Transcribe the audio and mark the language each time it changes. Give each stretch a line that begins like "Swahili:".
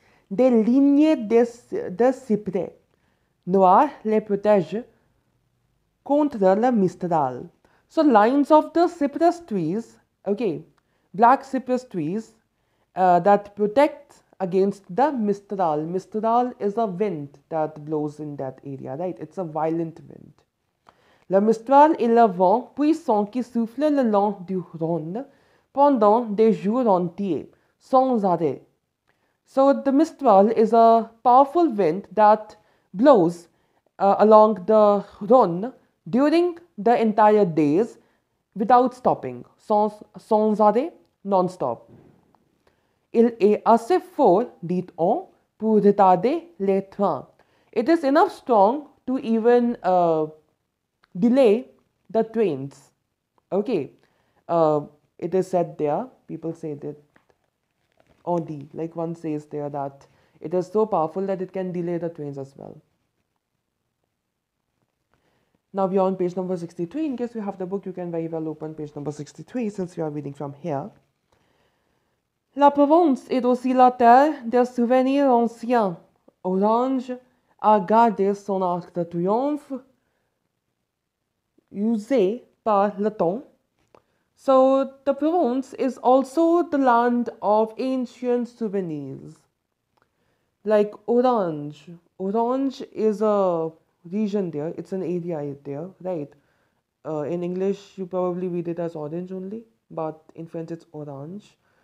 French: Des lignes de cyprès noirs les protègent contre le mistral.
English: So lines of the cypress trees, okay, black cypress trees that protect against the mistral. Mistral is a wind that blows in that area, right? It's a violent wind.
French: Le mistral et le vent puissant qui souffle le long du Rhône pendant des jours entiers, sans arrêt.
English: So the mistral is a powerful wind that blows along the Rhône during the entire days without stopping,
French: sans arrêt,
English: non-stop.
French: Il est assez fort, dit-on, pour retarder les trains.
English: It is enough strong to even delay the trains. Okay, it is said there, people say that, or the, like one says there that it is so powerful that it can delay the trains as well. Now we are on page number 63. In case you have the book, you can very well open page number 63 since we are reading from here.
French: La Provence est aussi la terre des souvenirs anciens. Orange a gardé son arc de triomphe usé par le temps.
English: So the Provence is also the land of ancient souvenirs. Like orange. Orange is a region there. It's an area there, right? In English, you probably read it as orange only, but in French, it's orange.